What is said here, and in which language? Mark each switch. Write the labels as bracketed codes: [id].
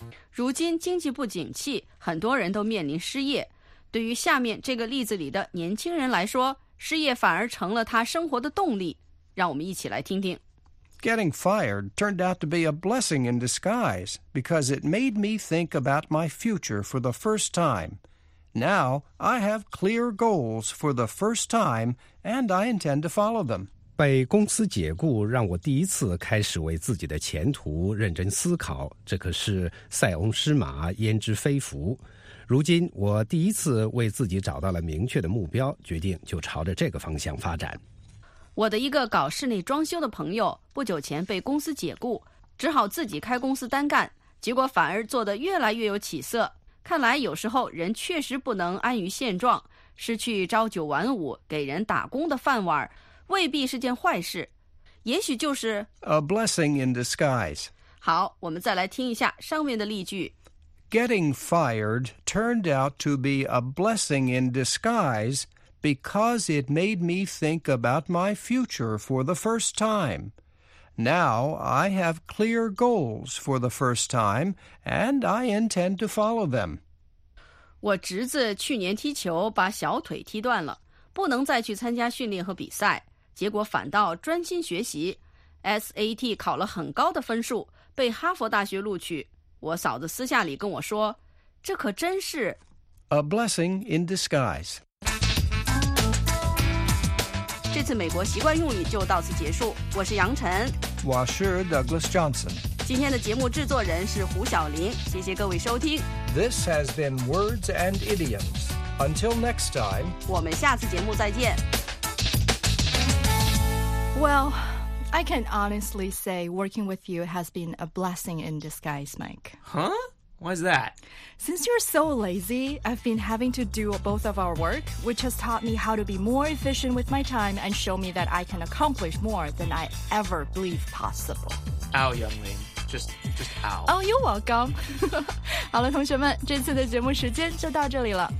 [zh] 如今经济不景气，很多人都面临失业。对于下面这个例子里的年轻人来说，失业反而成了他生活的动力，让我们一起来听听。 [en] Getting fired turned out to be a blessing in disguise because it made me think about my future for the first time. Now, I have clear goals for the first time and I intend to follow them. [zh] 被公司解雇让我第一次开始为自己的前途认真思考，这可是塞翁失马焉知非福。如今我第一次为自己找到了明确的目标，决定就朝着这个方向发展。我的一个搞室内装修的朋友不久前被公司解雇，只好自己开公司单干，结果反而做得越来越有起色。看来有时候人确实不能安于现状，失去朝九晚五给人打工的饭碗未必是件坏事，也许就是 [en] A blessing in disguise。 [zh] 好，我们再来听一下上面的例句。 [en] Getting fired turned out to be a blessing in disguise because it made me think about my future for the first time. Now I have clear goals for the first time, and I intend to follow them. [zh] 我侄子去年踢球把小腿踢断了，不能再去参加训练和比赛，结果反倒专心学习 ，SAT 考了很高的分数，被哈佛大学录取。我嫂子私下里跟我说，这可真是 [en] A blessing in disguise。 [zh] 这次美国习惯用语就到此结束，我是杨晨，我是 Douglas Johnson。今天的节目制作人是胡晓林，谢谢各位收听。 [en] This has been Words and Idioms. Until next time， [zh] 我们下次节目再见。 [en] Well,I can honestly say working with you has been a blessing in disguise, Mike. Huh? Why's that? Since you're so lazy, I've been having to do both of our work, which has taught me how to be more efficient with my time and show me that I can accomplish more than I ever believed possible. Ow, youngling. Just ow. Oh, you're welcome. [zh] 好了，同学们，这次的节目时间就到这里了。